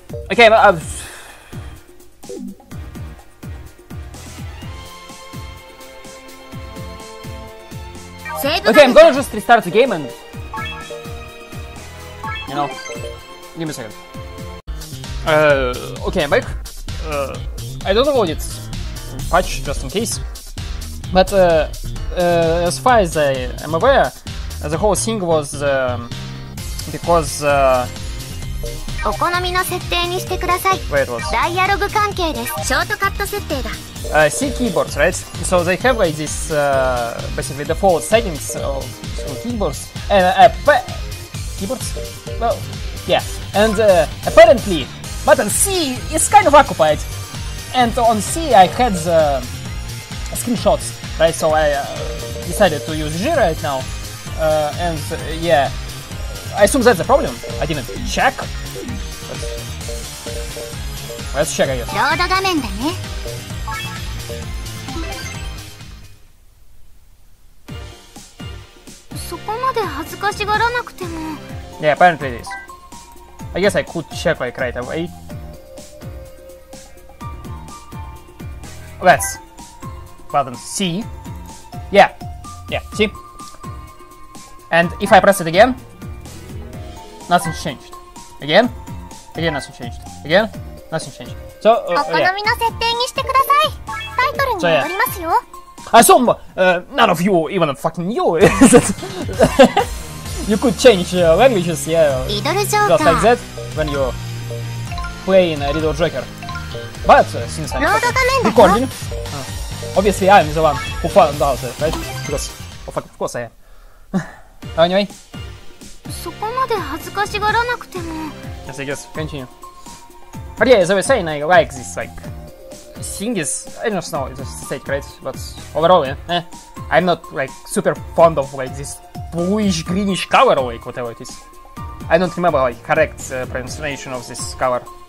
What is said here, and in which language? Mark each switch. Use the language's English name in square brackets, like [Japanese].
[English] Okay, but okay, I'm gonna just restart the game and you know, give me a second. Okay, I'm back. I don't know what it's patch just in case. But as far as I am aware, the whole thing was because [Japanese] お好みの設定にしてください。 [English] Where it was? [Japanese] ダイアログ関係です。ショートカット設定だ。 [English] C keyboards, right? So they have like this basically default settings of keyboards and keyboards. Well, yeah, and apparently. Button C is kind of occupied, and on C I had the screenshots, right? So I decided to use G right now, and yeah, I assume that's the problem. I didn't check. Let's check, I guess. [Japanese] Load 画面だね。そこまで恥ずかしがらなくても。 [English] Yeah, apparently it is. I guess I could check like right away. Let's button C. Yeah, yeah, see? And if I press it again, nothing changed. Again, again, nothing changed. Again, nothing changed. So, yeah. I assume none of you even fucking knew that you could change languages, yeah, just like that when you play in Riddle Joker. But since I'm recording, obviously I'm the one who found out, right? Because, oh fuck, of course I am. Anyway. [Japanese] そこまで恥ずかしがらなくても。 [English] Yes, I guess. Continue. But yeah, as I was saying, I like this, like, thing is, I don't know, it's a state, right? But overall, yeah, I'm not, like, super fond of, like, this bluish-greenish color, like, whatever it is. I don't remember, like, correct pronunciation of this color.